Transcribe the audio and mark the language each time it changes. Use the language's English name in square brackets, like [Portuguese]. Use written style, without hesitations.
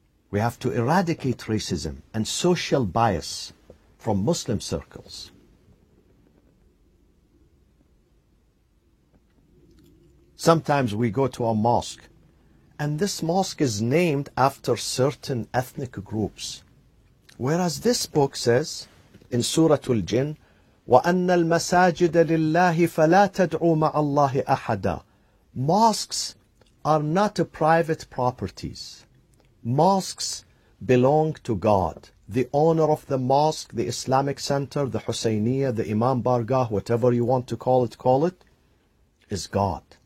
[English] We have to eradicate racism and social bias from Muslim circles. Sometimes we go to a mosque, and this mosque is named after certain ethnic groups. Whereas this book says in Surah Al-Jinn, [Arabic] وَأَنَّ الْمَسَاجِدَ لِلَّهِ فَلَا تَدْعُوا مَعَ اللَّهِ أَحَدًا. [English] Mosques are not private properties. Mosques belong to God. The owner of the mosque, the Islamic Center, the Husayniyah, the Imam Bargah, whatever you want to call it, is God.